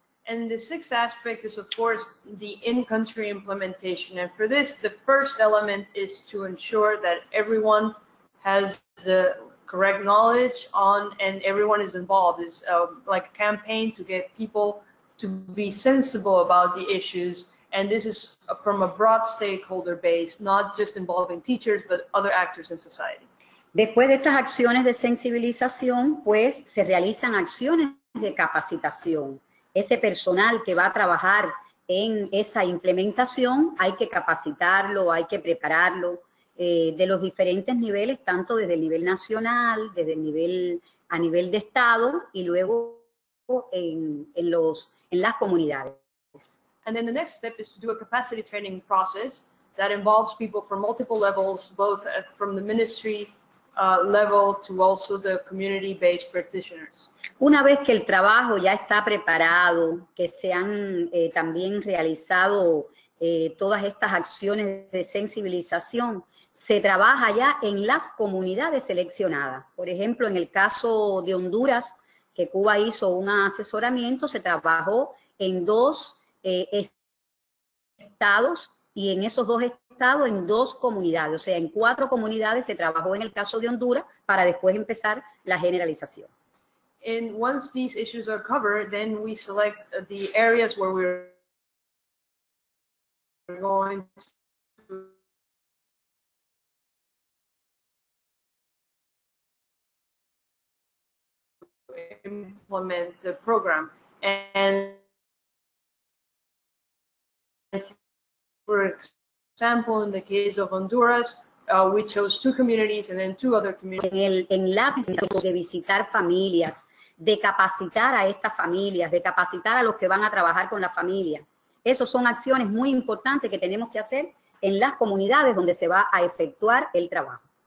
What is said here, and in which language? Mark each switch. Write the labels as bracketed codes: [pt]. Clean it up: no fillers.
[en] And the sixth aspect is, of course, the in-country implementation. And for this, the first element is to ensure that everyone has the correct knowledge on, and everyone is involved. It's like a campaign to get people to be sensible about the issues, and this is from a broad stakeholder base, not just involving teachers, but other actors in society. [es] Después de estas acciones de sensibilización, pues, se realizan acciones de capacitación. Ese personal que va a trabajar en esa implementación, hay que capacitarlo, hay que prepararlo, de los diferentes niveles, tanto desde el nivel nacional, desde el nivel a nivel de estado y luego en las comunidades. [en] And then the next step is to do a capacity training process that involves people from multiple levels, both from the ministry level to also the community-based practitioners. [es] Una vez que el trabajo ya está preparado, que se han también realizado todas estas acciones de sensibilización, se trabaja ya en las comunidades seleccionadas. Por ejemplo, en el caso de Honduras, que Cuba hizo un asesoramiento, se trabajó en dos estados y en esos dos estados en dos comunidades. O sea, en cuatro comunidades se trabajó en el caso de Honduras para después empezar la generalización. [en] And once these issues are covered, then we select the areas where we're going to... implement the program. And for example, in the case of Honduras, we chose two communities and then two other communities. [es] En la visita de visitar familias, de capacitar a estas familias, de capacitar a los que van a trabajar con la familia. Esas son acciones muy importantes que tenemos que hacer en las comunidades donde se va a efectuar el trabajo.